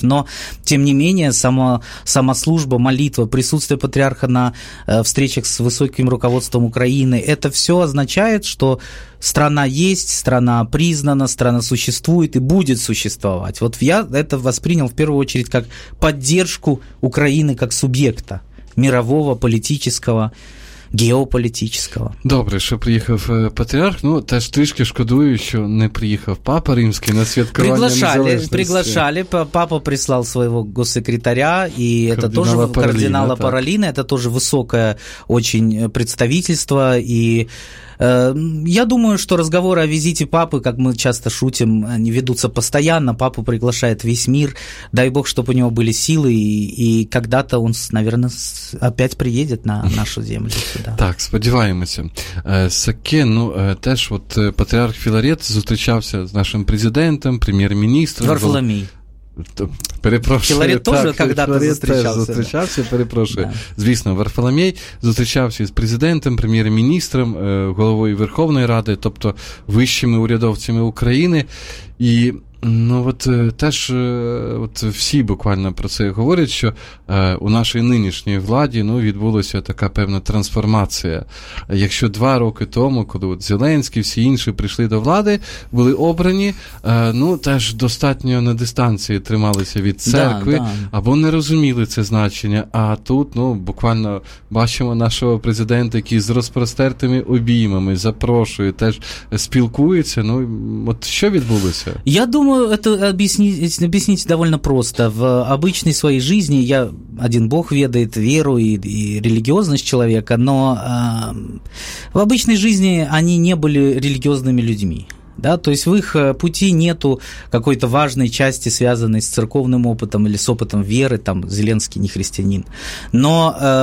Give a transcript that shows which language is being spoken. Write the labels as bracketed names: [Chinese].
[Russian] Но, тем не менее, сама служба, молитва, присутствие патриарха на встречах с высоким руководством Украины, это все означает, что страна есть, страна признана, страна существует и будет существовать. Вот я это воспринял в первую очередь как поддержку Украины как субъекта мирового, политического, геополітичного. [Ukrainian] Добре, що приїхав патріарх, ну, теж трішки шкодую, що не приїхав папа римський на святкування незалежності. [Russian] Приглашали, папа [Ukrainian] прислав свого госсекретаря, і це теж кардинала Параліна, це теж високе [Russian] очень представительство, і я думаю, что разговоры о визите папы, как мы часто шутим, они ведутся постоянно, папу приглашает весь мир, дай бог, чтобы у него были силы, и когда-то он, наверное, опять приедет на нашу землю сюда. [Ukrainian] Так, сподіваємося. Саке, ну, теж от патріарх Філарет зустрічався з нашим президентом, прем'єр-міністром. Варфоломій. Філарет теж когда-то зустрічався. Перепрошую. Да. Звісно, Варфоломей зустрічався з президентом, прем'єр-міністром, головою Верховної Ради, тобто вищими урядовцями України. І ну, от, теж от всі буквально про це говорять, що у нашій нинішній владі ну, відбулася така певна трансформація. Якщо два роки тому, коли от Зеленський, всі інші прийшли до влади, були обрані, ну, теж достатньо на дистанції трималися від церкви, або не розуміли це значення. А тут ну, буквально бачимо нашого президента, який з розпростертими обіймами запрошує, теж спілкується. Ну, от що відбулося? [Russian] Я думаю, это объяснить довольно просто. В обычной своей жизни я один Бог ведает веру и религиозность человека, но в обычной жизни они не были религиозными людьми. Да, то есть в их пути нету какой-то важной части, связанной с церковным опытом или с опытом веры, там Зеленский не христианин. Но